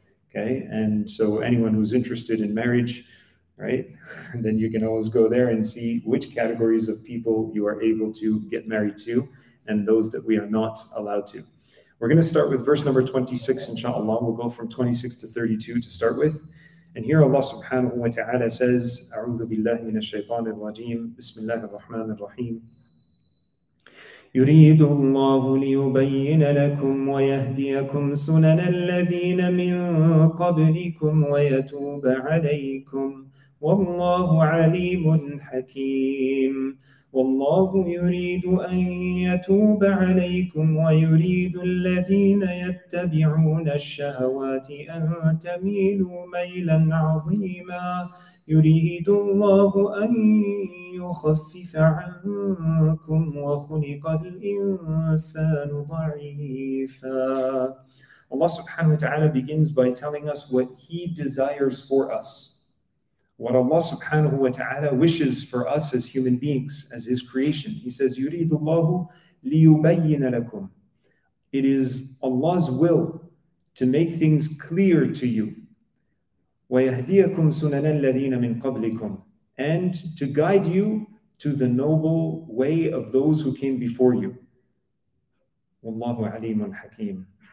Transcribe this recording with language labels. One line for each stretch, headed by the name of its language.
English: Okay, and so anyone who's interested in marriage, right, then you can always go there and see which categories of people you are able to get married to and those that we are not allowed to. We're going to start with verse number 26, inshallah. We'll go from 26 to 32 to start with. And here Allah subhanahu wa ta'ala says,
Arabic: أعوذ بالله من الشيطان الرجيم بسم الله الرحمن الرحيم يريد الله ليبين لكم ويهديكم سنن الذين من قبلكم ويتوب عليكم والله عليم حكيم والله يريد أن يتوب عليكم ويريد الذين يتبعون الشهوات أن تميلوا ميلا عظيما يريد الله أن يخفف عنكم وخلق الإنسان ضعيفا.
English: Allah subhanahu wa ta'ala begins by telling us what He desires for us. What Allah subhanahu wa ta'ala wishes for us as human beings, as His creation. He says,
Arabic: يُرِيدُ اللَّهُ لِيُبَيِّنَ لَكُمْ.
English: It is Allah's will to make things clear to you.
Arabic: وَيَهْدِيَكُمْ سُنَنَ الَّذِينَ مِنْ قَبْلِكُمْ.
English: And to guide you to the noble way of those who came before you.
Arabic: وَاللَّهُ عَلِيمٌ حَكِيمٌ.